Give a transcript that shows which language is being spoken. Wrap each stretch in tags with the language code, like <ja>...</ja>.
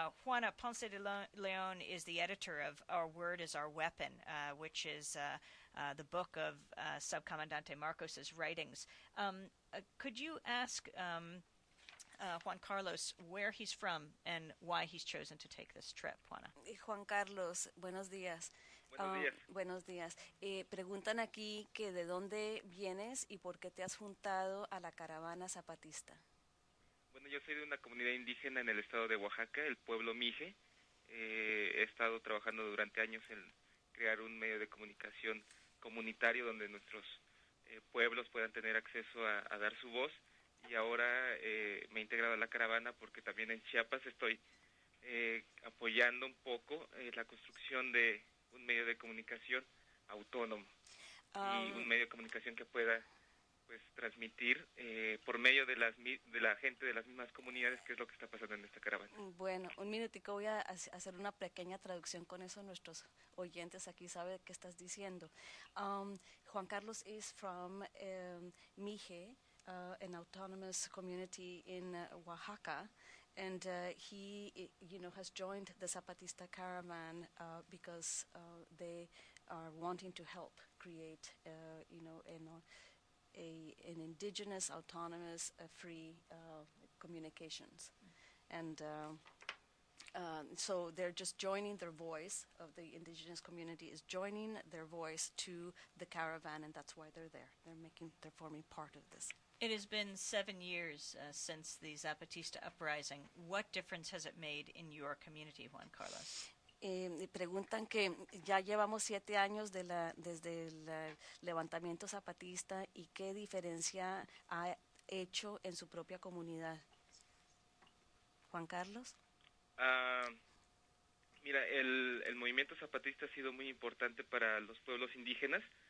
<en>Juana Ponce de León is the editor of Our Word is Our Weapon, which is... the book of Subcomandante Marcos's writings. Could you ask Juan Carlos where he's from and why he's chosen to take this trip, Juana?</en> <es>Juan Carlos, buenos días. Buenos días. Buenos días. Preguntan aquí que de dónde vienes y por qué te has juntado a la caravana zapatista. Bueno, yo soy de una comunidad indígena en el estado de Oaxaca, el pueblo Mije. He estado trabajando durante años en crear un medio de comunicación comunitario donde nuestros pueblos puedan tener acceso a dar su voz, y ahora me he integrado a la caravana porque también en Chiapas estoy apoyando un poco la construcción de un medio de comunicación autónomo y un medio de comunicación que pueda pues transmitir por medio de la gente de las mismas comunidades qué es lo que está pasando en esta caravana. Bueno, un minutico, voy a hacer una pequeña traducción con eso. Nuestros oyentes aquí saben qué estás diciendo.</es> <en>Juan Carlos is from Mije, an autonomous community in Oaxaca, and he, you know, has joined the Zapatista caravan because they are wanting to help create, you know, an indigenous, autonomous, free communications. Mm-hmm. And so they're just joining their voice, of the indigenous community is joining their voice to the caravan, and that's why they're there. They're forming part of this. It has been 7 years since the Zapatista uprising. What difference has it made in your community, Juan Carlos?</en> <es>Preguntan que ya llevamos 7 años desde el levantamiento zapatista y qué diferencia ha hecho en su propia comunidad. Juan Carlos. Mira, el movimiento zapatista ha sido muy importante para los pueblos indígenas.</es>